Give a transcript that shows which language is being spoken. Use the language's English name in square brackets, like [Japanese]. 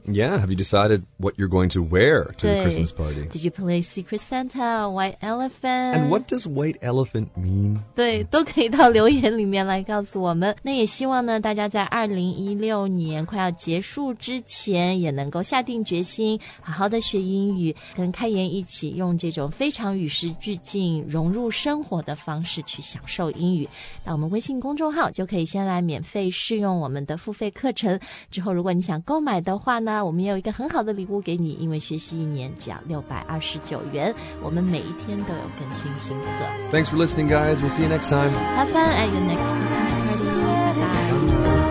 [English] Yeah, have you decided what you're going to wear to the Christmas party? Did you play Secret Santa, White Elephant? And what does White Elephant mean? [Chinese] 对都可以到留言里面来告诉我们那也希望呢大家在2016年快要结束之前也能够下定决心好好的学英语跟开言一起用这种非常与时俱进融入生活的方式去享受英语那我们微信公众号就可以先来免费试用我们的付费课程之后如果你想购买的话呢我们也有一个很好的礼物给你因为学习一年只要629元我们每一天都有更新新课 [English] Thanks for listening guys We'll see you next time Have fun at your next Christmas party. Bye bye.